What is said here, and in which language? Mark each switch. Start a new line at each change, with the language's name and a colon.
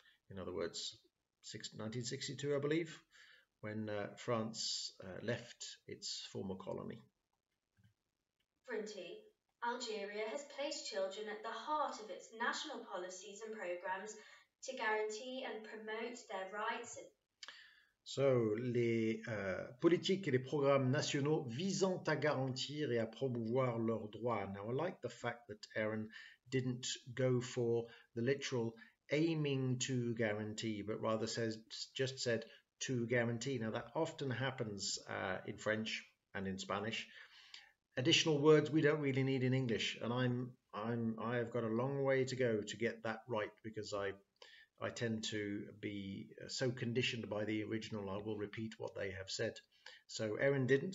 English: In other words, 1962, I believe, when France left its former colony. Frontier. Algeria has placed children at the heart of its national policies and programs to guarantee and promote their rights.
French: So, les politiques et les programmes nationaux visant à garantir et à promouvoir leurs droits.
English: Now, I like the fact that Aaron didn't go for the literal aiming to guarantee, but rather said to guarantee. Now, that often happens in French and in Spanish. Additional words we don't really need in English, and I have got a long way to go to get that right, because I tend to be so conditioned by the original, I will repeat what they have said. So Erin didn't.